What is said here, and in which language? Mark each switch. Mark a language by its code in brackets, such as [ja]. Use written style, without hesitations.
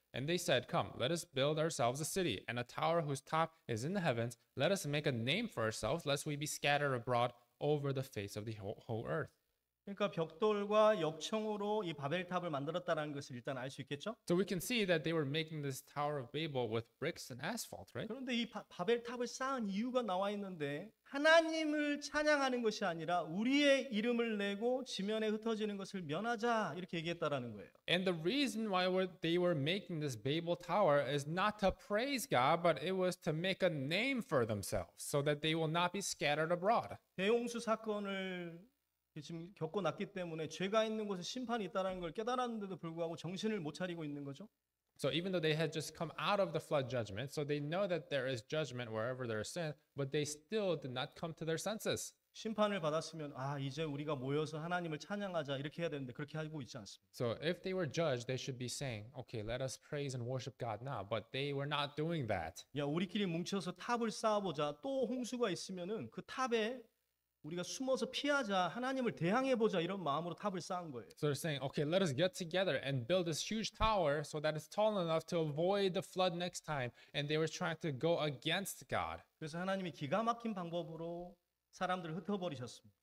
[en] And they said, "Come, let us build ourselves a city and a tower whose top is in the heavens. Let us make a name for ourselves, lest we be scattered abroad over the face of the whole earth." [ko] 그러니까 벽돌과 역청으로 이 바벨탑을 만들었다라는 것을 일단 알 수 있겠죠? [en] So we can see that they were making this Tower of Babel with bricks and asphalt, right? [ko] 그런데 이 바벨탑을 쌓은 이유가 나와 있는데 하나님을 찬양하는 것이 아니라 우리의 이름을 내고 지면에 흩어지는 것을 면하자 이렇게 얘기했다라는 거예요. [en] And the reason why they were making this Babel Tower is not to praise God, but it was to make a name for themselves so that they will not be scattered abroad. [ko] 대홍수 사건을 지금 겪고 났기 때문에 죄가 있는 곳에 심판이 있다는 걸 깨달았는데도 불구하고 정신을 못 차리고 있는 거죠. [en] So even though they had just come out of the flood judgment, so they know that there is judgment wherever there is sin, but they still did not come to their senses. [ko] 심판을 받았으면 아 이제 우리가 모여서 하나님을 찬양하자 이렇게 해야 되는데 그렇게 하고 있지 않습니다. [en] So if they were judged, they should be saying, "Okay, let us praise and worship God now." But they were not doing that. [ko] 야 우리끼리 뭉쳐서 탑을 쌓아보자. 또 홍수가 있으면은 그 탑에 우리가 숨어서 피하자, 하나님을 대항해 보자 이런 마음으로 탑을 쌓은 거예요. [en] So they're saying, okay, let us get together and build this huge tower so that it's tall enough to avoid the flood next time. And they were trying to go against God. [ko] 그래서 하나님이 기가 막힌 방법으로 사람들을 흩어버리셨습니다.